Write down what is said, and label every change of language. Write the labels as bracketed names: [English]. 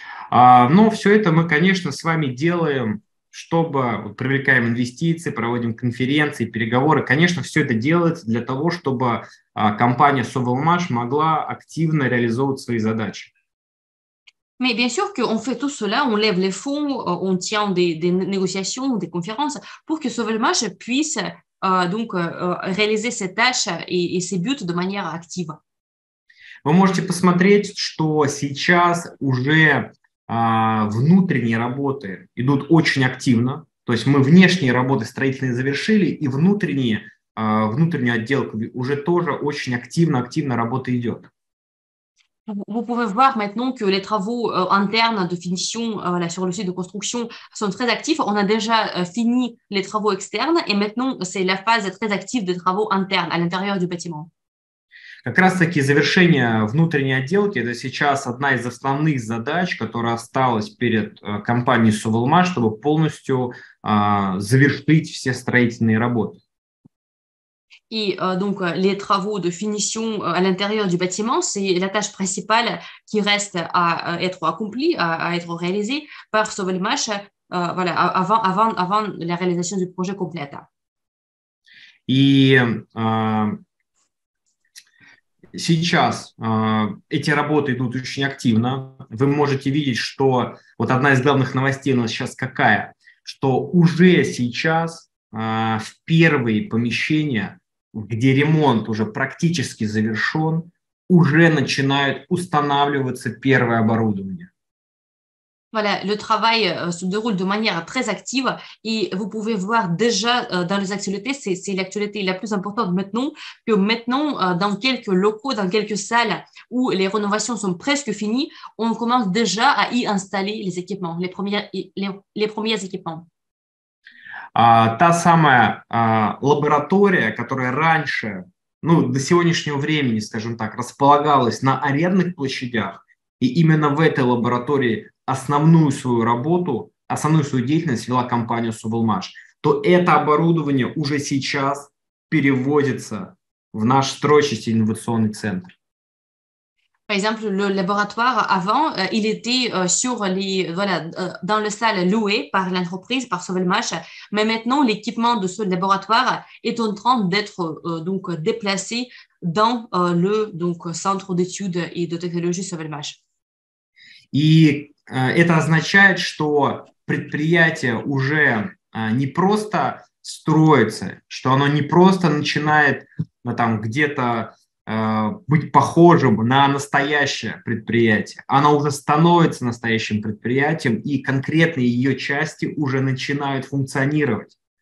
[Russian] Но все это мы, конечно, с вами делаем, чтобы вот, привлекаем инвестиции, проводим конференции, переговоры. Конечно, все это делается для того, чтобы компания Sovelmash могла активно реализовывать свои задачи. [French] Mais bien sûr qu'on fait tout cela, on lève les fonds, on tient des négociations, des conférences pour que Sauvelmash puisse réaliser ses tâches et ses buts de manière active. [Russian] Вы можете посмотреть, что сейчас уже внутренние работы идут очень активно. То есть мы внешние работы строительные завершили, и внутренняя отделка уже тоже очень активно работа идет. [French] Vous pouvez voir maintenant que les travaux internes de finition sur le site de construction sont très actifs. On a déjà fini les travaux externes et maintenant c'est la phase très active des travaux internes à l'intérieur du bâtiment. [Russian] Как раз-таки завершение внутренней отделки – это сейчас одна из основных задач, которая осталась перед компанией Sovelmash, чтобы полностью завершить все строительные работы. [French] Et les travaux de finition à l'intérieur du bâtiment, c'est la tâche principale qui reste à être accomplie, à être réalisée par Sauvelmash avant la réalisation du projet complet. [Russian] И сейчас эти работы идут очень активно. Вы можете видеть, что вот одна из главных новостей у нас сейчас какая, что уже сейчас в первые помещения, где ремонт уже практически завершен, уже начинают устанавливаться первое оборудование. [French] Voilà, le travail se déroule de manière très active et vous pouvez voir déjà dans les actualités, c'est l'actualité la plus importante maintenant, que maintenant, dans quelques locaux, dans quelques salles où les rénovations sont presque finies, on commence déjà à y installer les équipements, les premiers équipements. [Russian] Та самая лаборатория, которая раньше, ну, до сегодняшнего времени, скажем так, располагалась на арендных площадях, и именно в этой лаборатории основную свою работу, основную свою деятельность вела компания Sovelmash, то это оборудование уже сейчас переводится в наш строящийся инновационный центр. [French] Par exemple, le laboratoire avant, il était sur dans les salles louées par l'entreprise, par Sauvelmash, mais maintenant l'équipement de ce laboratoire est en train d'être déplacé dans le centre d'études et de technologie Sauvelmash. [Russian] И это означает, что предприятие уже не просто строится, что оно не просто начинает там где-то быть похожим на настоящее предприятие. Она уже становится настоящим предприятием, и конкретные ее части уже начинают функционировать.